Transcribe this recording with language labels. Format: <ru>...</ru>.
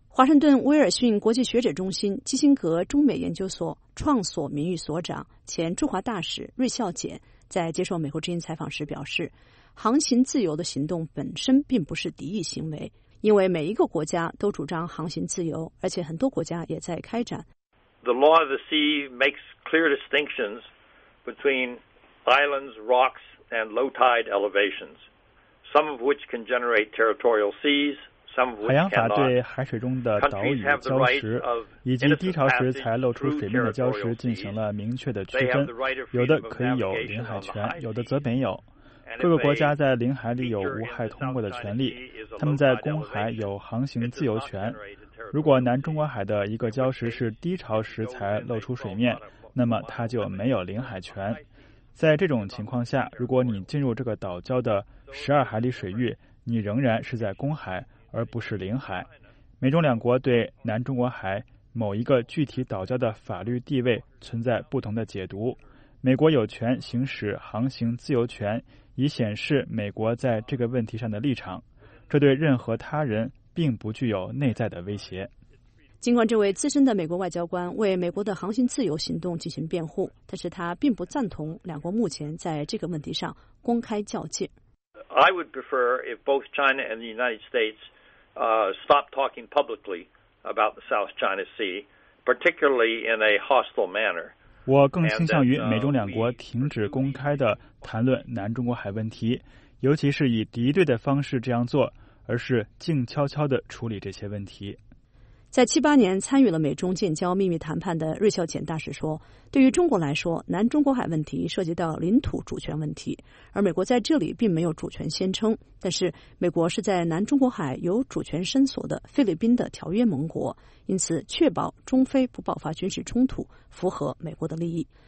<zh>华盛顿威尔逊国际学者中心基辛格中美研究所创所名誉所长、前驻华大使瑞孝俭在接受美国之音采访时表示，航行自由的行动本身并不是敌意行为，因为每一个国家都主张航行自由，而且很多国家也在开展。</zh> <en>The law of the sea makes clear distinctions between islands, rocks, and low tide elevations, some of which can generate territorial seas, some of which</en> <zh>海洋法对海水中的岛屿、礁石以及低潮时才露出水面的礁石进行了明确的区分，有的可以有领海权，有的则没有。各个国家在领海里有无害通过的权利，他们在公海有航行自由权。如果南中国海的一个礁石是低潮时才露出水面，那么它就没有领海权。在这种情况下，如果你进入这个岛礁的12海里水域，你仍然是在公海而不是领海。美中两国对南中国海某一个具体岛礁的法律地位存在不同的解读。美国有权行使航行自由权，以显示美国在这个问题上的立场，这对任何他人并不具有内在的威胁。尽管这位资深的美国外交官为美国的航行自由行动进行辩护，但是他并不赞同两国目前在这个问题上公开较劲。</zh> <en>I would prefer if both China and the United States stop talking publicly about the South China Sea, particularly in a hostile manner.</en> <zh>我更倾向于美中两国停止公开地谈论南中国海问题，尤其是以敌对的方式这样做，而是静悄悄地处理这些问题。在78年参与了美中建交秘密谈判的瑞孝俭大使说，对于中国来说，南中国海问题涉及到领土主权问题，而美国在这里并没有主权宣称，但是美国是在南中国海有主权申索的菲律宾的条约盟国，因此确保中非不爆发军事冲突符合美国的利益。</zh>